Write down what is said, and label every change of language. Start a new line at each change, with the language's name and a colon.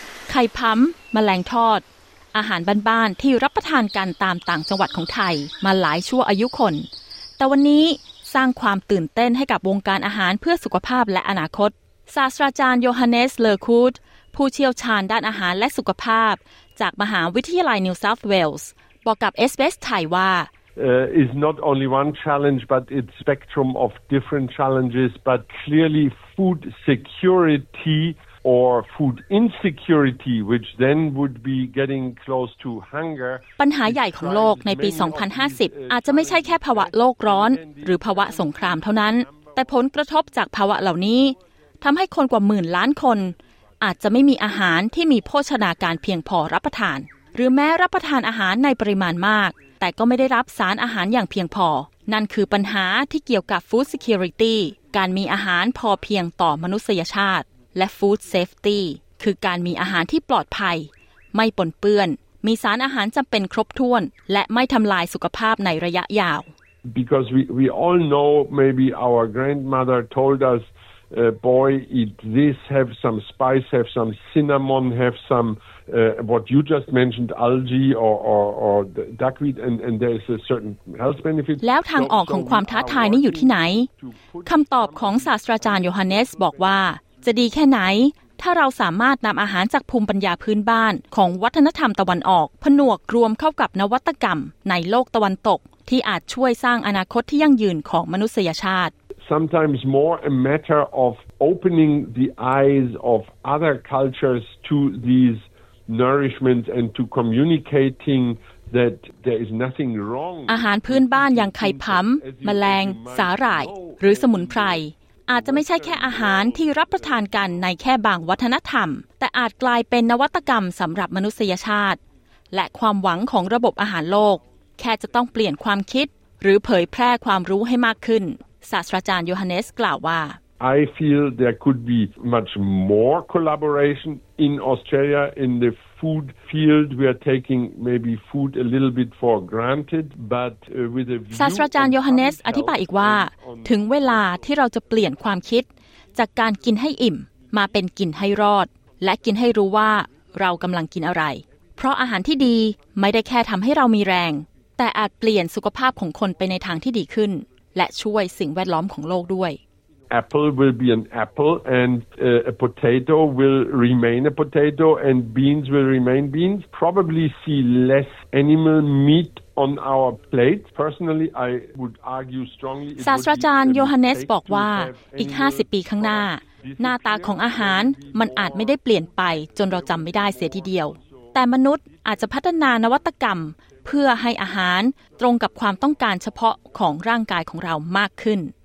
Thai: ไข่พั้มแมลงทอดอาหารบ้านๆที่รับประทานกันตามต่างจังหวัดของไทยมาหลายชั่วอายุคนแต่วันนี้สร้างความตื่นเต้นให้กับวงการอาหารเพื่อสุขภาพและอนาคตศาสตราจารย์โยฮันเนสเลอร์คูดผู้เชี่ยวชาญด้านอาหารและสุขภาพจากมหาวิทยาลัยนิวเซาท์เวลส์บอกกับ SBS ไทยว่า
English: is not only one challenge but it's spectrum of different challenges but clearly food security or food insecurity, which then would be getting close to hunger.
Thai: ปัญหาใหญ่ของโลกในปี 2050 อาจจะไม่ใช่แค่ภาวะโลกร้อนหรือภาวะสงครามเท่านั้นแต่ผลกระทบจากภาวะเหล่านี้ทำให้คนกว่าหมื่นล้านคน อาจจะไม่มีอาหารที่มีโภชนาการเพียงพอรับประทานหรือแม้รับประทานอาหารในปริมาณมากแต่ก็ไม่ได้รับสารอาหารอย่างเพียงพอนั่นคือปัญหาที่เกี่ยวกับ food security การมีอาหารพอเพียงต่อมนุษยชาติและ food safety คือการมีอาหารที่ปลอดภัยไม่ปนเปื้อนมีสารอาหารจำเป็นครบถ้วนและไม่ทำลายสุขภาพในระยะยาว
English: Because we all know maybe our grandmother told us boy eat this have some spice have some cinnamon have somewhat you just mentioned algae or duckweed and there is a certain health benefit
Thai: แล้วทางออกของความท้าทายนี้อยู่ที่ไหนคำตอบของศาสตราจารย์โยฮันเนสบอกว่าจะดีแค่ไหนถ้าเราสามารถนำอาหารจากภูมิปัญญาพื้นบ้านของวัฒนธรรมตะวันออกผนวกรวมเข้ากับนวัตกรรมในโลกตะวันตกที่อาจช่วยสร้างอนาคตที่ยั่งยืนของมนุษยชาติ
English: Sometimes more a matter of opening the eyes of other cultures to these nourishments and to communicating that there is nothing wrong.
Thai: อาหารพื้นบ้านอย่างไข่ผำแมลงสาหร่ายหรือสมุนไพรอาจจะไม่ใช่แค่อาหารที่รับประทานกันในแค่บางวัฒนธรรมแต่อาจกลายเป็นนวัตกรรมสำหรับมนุษยชาติและความหวังของระบบอาหารโลกแค่จะต้องเปลี่ยนความคิดหรือเผยแพร่ความรู้ให้มากขึ้นศาสตราจารย์โยฮันเนสกล่าวว่า
English: I feel there could be much more collaboration in Australia in the food field we are taking maybe food a little bit for granted but with a view
Thai: ศาสตราจารย์โยฮันเนสอธิบายอีกว่าถึงเวลาที่เราจะเปลี่ยนความคิดจากการกินให้อิ่มมาเป็นกินให้รอดและกินให้รู้ว่าเรากำลังกินอะไรเพราะอาหารที่ดีไม่ได้แค่ทำให้เรามีแรงแต่อาจเปลี่ยนสุขภาพของคนไปในทางที่ดีขึ้นและช่วยสิ่งแวดล้อมของโลกด้วย
English: Apple will be an apple and a potato will remain a potato and beans will remain beans probably see less animal meat on our plate personally I would argue strongly
Thai: ศาสตราจารย์โยฮันเนสบอกว่าอีก50ปีข้างหน้าหน้าตาของอาหารมันอาจไม่ได้เปลี่ยนไปจนเราจำไม่ได้เสียทีเดียวแต่มนุษย์อาจจะพัฒนานวัตกรรมเพื่อให้อาหารตรงกับความต้องการเฉพาะของร่างกายของเรามากขึ้น